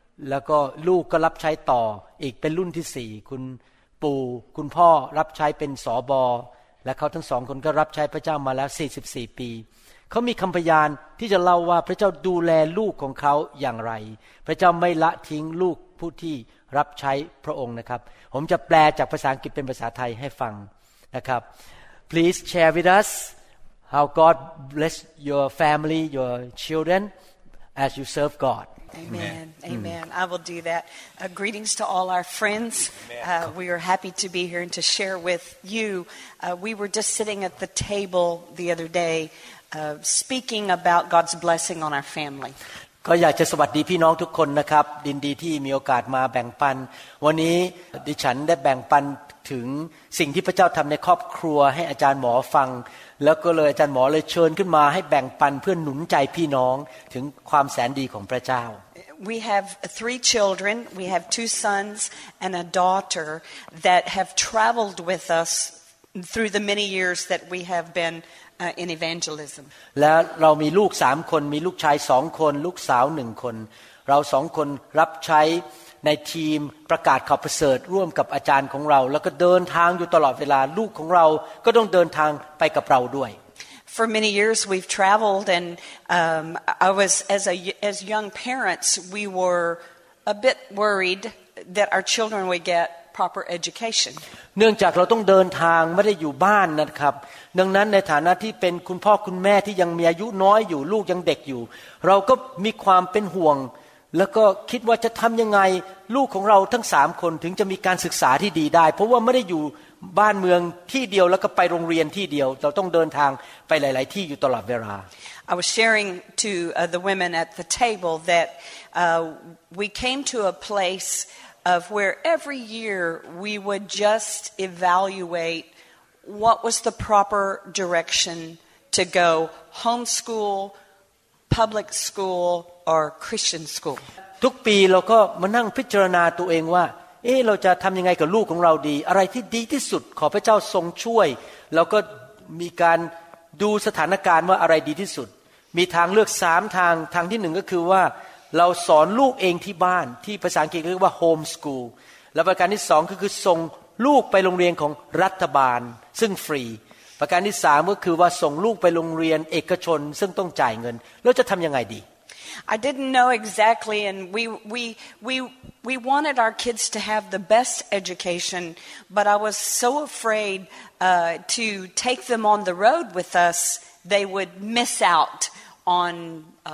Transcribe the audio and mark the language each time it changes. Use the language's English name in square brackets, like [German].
[Thai] แล้วก็ลูกก็รับใช้ต่ออีกเป็นรุ่นที่4คุณปู่คุณพ่อรับใช้เป็นสบและเขาทั้ง2คนก็รับใช้พระเจ้ามาแล้ว44ปีเขามีคำพยานที่จะเล่าว่าพระเจ้าดูแลลูกของเขาอย่างไรพระเจ้าไม่ละทิ้งลูกผู้ที่รับใช้พระองค์นะครับผมจะแปลจากภาษาอังกฤษเป็นภาษาไทยให้ฟังนะครับ [English] Please share with us how God bless your family your children as you serve God Amen Amen I will do that greetings to all our friends we are happy to be here and to share with you we were just sitting at the table the other dayspeaking about God's blessing on our family. [Thai] ก็อยากจะสวัสดีพี่น้องทุกคนนะครับดีที่มีโอกาสมาแบ่งปันวันนี้ดิฉันได้แบ่งปันถึงสิ่งที่พระเจ้าทำในครอบครัวให้อาจารย์หมอฟัง แล้วก็เลยอาจารย์หมอเลยเชิญขึ้นมาให้แบ่งปันเพื่อหนุนใจพี่น้องถึงความแสนดีของพระเจ้า [English] We have three children. We have two sons and a daughter that have traveled with us through the many years that we have been in evangelism. [Thai] แล้วเรามีลูก3คนมีลูกชาย2คนลูกสาว1คนเรา2คนรับใช้ในทีมประกาศข่าวประเสริฐร่วมกับอาจารย์ของเราแล้วก็เดินทางอยู่ตลอดเวลาลูกของเราก็ต้องเดินทางไปกับเราด้วย [English] For many years we've traveled and I was as young parents we were a bit worried that our children would get proper education [Thai] เนื่องจากเราต้องเดินทางไม่ได้อยู่บ้านนะครับดังนั้นในฐานะที่เป็นคุณพ่อคุณแม่ที่ยังมีอายุน้อยอยู่ลูกยังเด็กอยู่เราก็มีความเป็นห่วงแล้วก็คิดว่าจะทำยังไงลูกของเราทั้ง3คนถึงจะมีการศึกษาที่ดีได้เพราะว่าไม่ได้อยู่บ้านเมืองที่เดียวแล้วก็ไปโรงเรียนที่เดียวเราต้องเดินทางไปหลายๆที่อยู่ตลอดเวลา [English] I was sharing to the women at the table that we came to a place of where every year we would just evaluate what was the proper direction to go homeschool public schoolor Christian school [Thai] ทุกปีเราก็มานั่งพิจารณาตัวเองว่าเอ๊ะเราจะทำยังไงกับลูกของเราดีอะไรที่ดีที่สุดขอพระเจ้าทรงช่วยแล้วก็มีการดูสถานการณ์ว่าอะไรดีที่สุดมีทางเลือก3ทางทางที่1ก็คือว่าเราสอนลูกเองที่บ้านที่ภาษาอังกฤษเรียกว่า home school แล้วประการที่2ก็คือส่งลูกไปโรงเรียนของรัฐบาลซึ่งฟรีประการที่3ก็คือว่าส่งลูกไปโรงเรียนเอกชนซึ่งต้องจ่ายเงินแล้วจะทำยังไงดี [English] I didn't know exactly, and we wanted our kids to have the best education, but I was so afraid to take them on the road with us, they would miss out on